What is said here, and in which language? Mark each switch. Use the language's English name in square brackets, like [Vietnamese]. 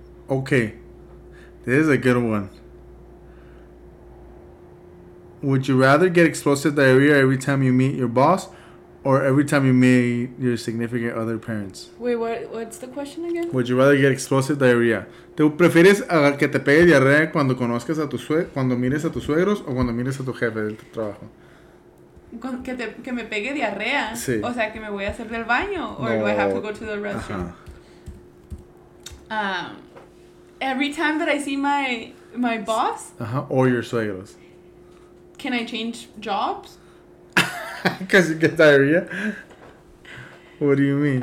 [English] Okay. This is a good one. Would you rather get explosive diarrhea every time you meet your boss, or every time you meet your significant other parents? Wait, what's the question again? Would you rather get explosive diarrhea? [Spanish] ¿Te prefieres a que te pegue diarrea cuando conozcas a tu cuando mires a tus suegros o cuando mires a tu jefe del trabajo? Que me pegue diarrea. Sí. O sea, que me voy a hacer del baño. [English] Or no. Do I have to go to the restroom? Every time that I see my boss. Uh-huh. Or your suegros. Can I change jobs? Because you get diarrhea? What do you mean?